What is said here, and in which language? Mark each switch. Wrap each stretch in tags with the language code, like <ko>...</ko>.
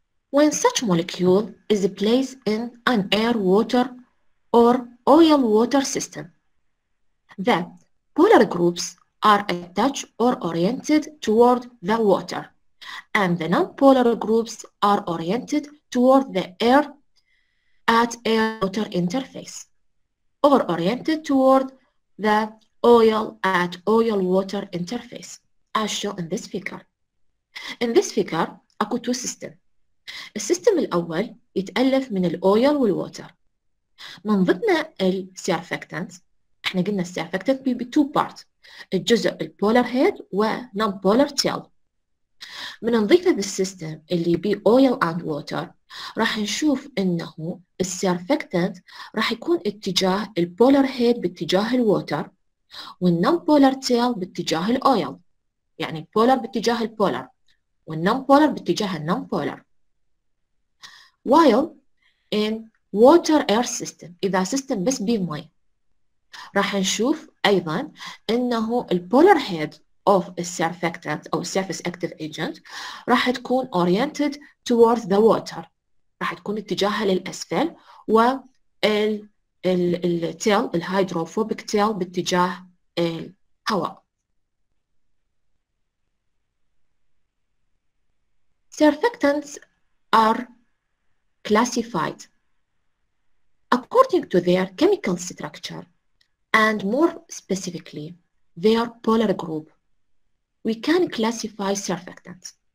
<en>When such molecule is placed in an air, water or oil water system, the polar groups are attached or oriented toward the water and the nonpolar groups are oriented toward the air at air-water interface or oriented toward the oil at oil-water interface as shown in this figure. In this figure, aku two system.</en> <ar>السيستم الأول يتألف من الأويل والووتر. من ضمن السيرفكتنت، احنا قلنا السيرفكتنت بي</ar> <en>two part،</en> <ar>الجزء البولار هيد ونون بولار تيل. من نضيف هذا السيستم اللي بي أويل أند ووتر، راح نشوف انه السيرفكتنت راح يكون اتجاه البولار هيد باتجاه الووتر والنون بولار تيل باتجاه الأويل، يعني البولار باتجاه البولار والنون بولار باتجاه النون بولار.</ar> <en>While in water air system,</en> <ar>إذا system بس بي مي، راح نشوف أيضا إنه البولار هيد</ar> <en>of a surfactant</en> <ar>أو</ar> <en>surface active agent</en> <ar>راح تكون</ar> <en>oriented towards the water،</en> <ar>راح تكون اتجاهها للأسفل، وال tail الهيدروفوبيك tail باتجاه الهواء.</ar> <en>Surfactants are classified according to their chemical structure and more specifically their polar group, we can classify surfactants.</en>